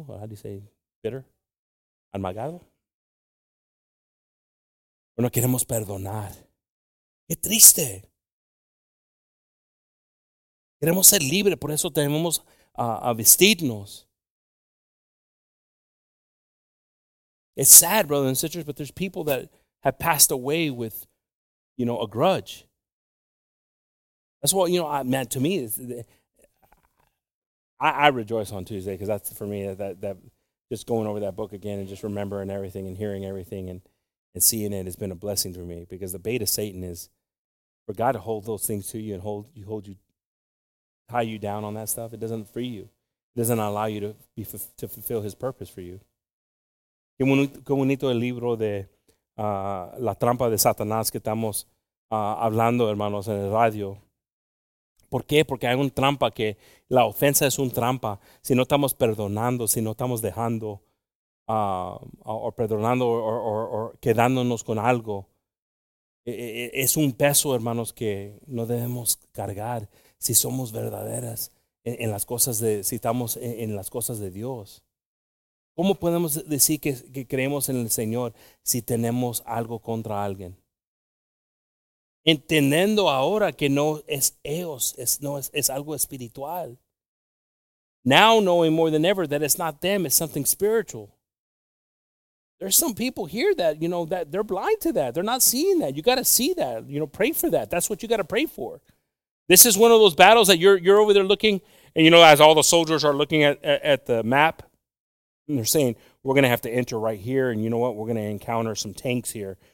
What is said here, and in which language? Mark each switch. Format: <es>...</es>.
<en>How do you say bitter? Amargado.</en> <es>O no queremos perdonar. Qué triste. Queremos ser libres, por eso tenemos a vestirnos.</es> <en>It's sad, brothers and sisters, but there's people that have passed away with, you know, a grudge. That's what, you know, man, to me, I rejoice on Tuesday because that's, for me, that just going over that book again and just remembering everything and hearing everything and seeing it has been a blessing for me because the bait of Satan is for God to hold those things to you and tie you down on that stuff. It doesn't free you. It doesn't allow you to fulfill his purpose for you.</en> <es>Qué bonito el libro de La Trampa de Satanás que estamos hablando, hermanos, en el radio. ¿Por qué? Porque hay una trampa, que la ofensa es una trampa. Si no estamos perdonando, si no estamos dejando o perdonando o quedándonos con algo, es un peso, hermanos, que no debemos cargar si somos verdaderas en las cosas de, si estamos en las cosas de Dios. ¿Cómo podemos decir que creemos en el Señor si tenemos algo contra alguien? Entendiendo ahora que no es ellos, es algo espiritual.</es> <en>Now knowing more than ever that it's not them, it's something spiritual. There's some people here that, you know, that they're blind to that. They're not seeing that. You got to see that. You know, pray for that. That's what you got to pray for. This is one of those battles that you're over there looking, and you know, as all the soldiers are looking at the map, and they're saying, we're going to have to enter right here, and you know what? We're going to encounter some tanks here.</en>